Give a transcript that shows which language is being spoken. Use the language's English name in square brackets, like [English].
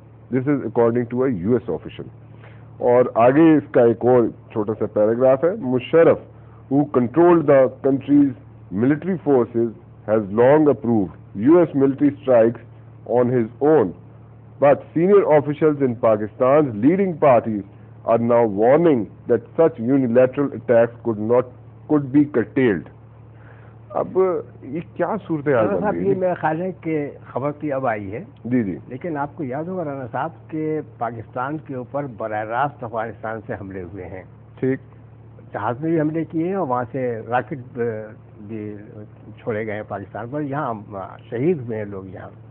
[English] This is according to a US official. [Hindi] और आगे इसका एक और छोटा सा पैराग्राफ है। [English] Musharraf, who controlled the country's military forces, has long approved US military strikes on his own, but senior officials in Pakistan's leading parties are now warning that such unilateral attacks could be curtailed. [Hindi] अब ये क्या सूरत है राना साहब? ये मेरा ख्याल है कि खबर की अब आई है जी जी, लेकिन आपको याद होगा राना साहब के पाकिस्तान के ऊपर बराह रास्त अफगानिस्तान से हमले हुए हैं, ठीक, जहाज में भी हमले किए और वहाँ से रॉकेट भी छोड़े गए पाकिस्तान पर, यहाँ शहीद हुए हैं लोग यहाँ।